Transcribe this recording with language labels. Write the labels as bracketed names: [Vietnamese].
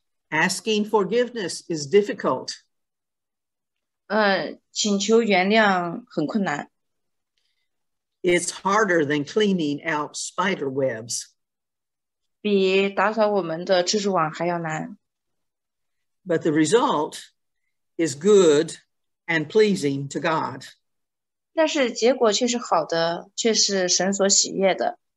[English] Asking forgiveness is difficult. [Chinese] 请求原谅很困难。 [English] It's harder than cleaning out spider webs. [Chinese] 比打扫我们的蜘蛛网还要难。 [English] But the result is good and pleasing to God. [Chinese] 但是结果却是好的，却是神所喜悦的。